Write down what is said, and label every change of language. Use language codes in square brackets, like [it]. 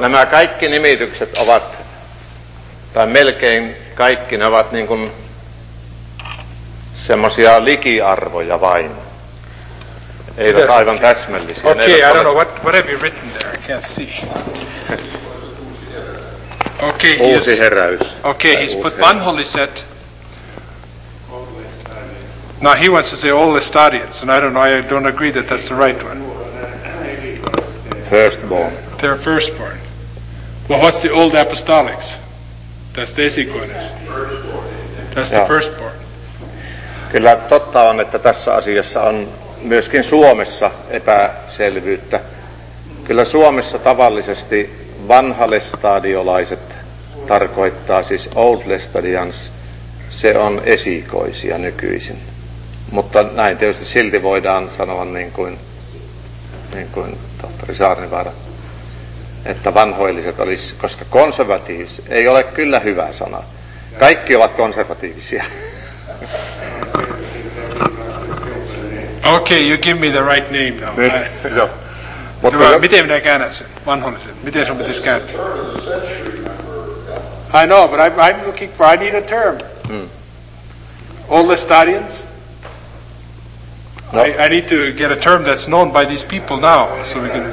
[fi] Nämä kaikki nimitykset ovat, tai melkein kaikki, ne ovat niin kuin semmoisia likiarvoja vain. Eivät yeah, aivan okay. Täsmällisiä. [en] Okay, I don't know what have you written there. I can't see. Okay, [fi] uusi heräys. [en] Okay, he's put vanholliset. Now he wants to say all Lestadians, and I don't know, I don't agree that that's the right one. Firstborn. They're firstborn. Well, what's the old apostolics? That's the esikoines. That's the firstborn. [fi] Kyllä totta on, että tässä asiassa on myöskin Suomessa epäselvyyttä. Kyllä Suomessa tavallisesti vanhalestadiolaiset tarkoittaa siis [en] old lestadians. [fi] Se on esikoisia nykyisin. Mutta näin tietysti silti voidaan sanoa niin kuin tohtori Saarnivaara, että vanhoilliset olisi, koska konservatiivis ei ole kyllä hyvä sana. Kaikki ovat konservatiivisia. [en] Okay, you give me the right name now. [fi] Nyt, jo. Miten minä käännän sen, vanhoilliset? Miten sun pitäisi kääntää? [en] I know, but I'm looking for, I need a term. All the Lestadians? No. I need to get a term that's known by these people now, so we can...